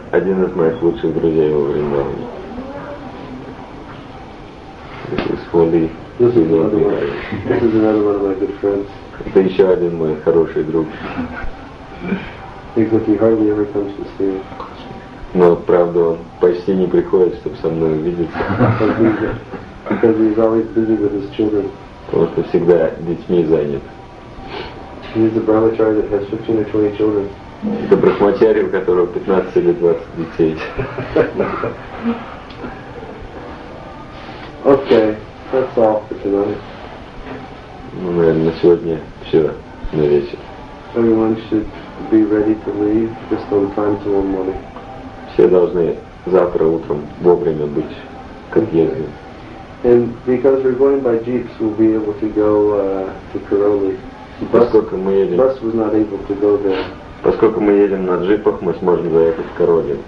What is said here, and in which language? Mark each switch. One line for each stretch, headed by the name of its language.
Russian: – один из моих лучших друзей во Вриндаване. Вали.
English: This is another one of my good friends.
Russian: Это еще один мой хороший друг.
English: Because he hardly ever comes to see me.
Russian: Но правда он почти не приходит, чтобы со мной увидеться.
English: Because he's always busy with his children.
Russian: Потому что всегда детьми занят.
English: He's a brahmachari that has 15 or 20 children.
Russian: Это брахмачари, у которого 15 или 20 детей.
English: Okay, that's all for tonight.
Russian: Ну, наверное, на сегодня все, на вечер.
English: Everyone should be ready to leave just on time tomorrow morning.
Russian: Все должны завтра утром вовремя быть к отъезду.
English: And because we're going by jeeps, we'll be able to go to Karoli.
Russian: Поскольку мы едем...
English: Bus was not able to go there.
Russian: Поскольку мы едем на джипах, мы сможем заехать в Каролин.